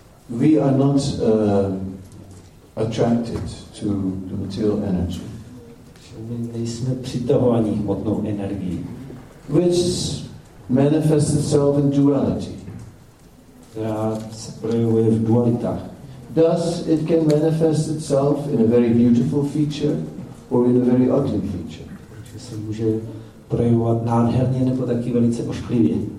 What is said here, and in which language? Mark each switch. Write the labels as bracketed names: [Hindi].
[English] We are not attracted to the material energy. [Czech] My nejsme přitahováni hmotnou energií, [English] which manifests itself in duality. [Czech] Která se projevuje v dualitách. [English] Thus, it can manifest itself in a very beautiful feature or in a very ugly feature. [Czech] Takže se může projevovat nádherně nebo taky velice ošklivě.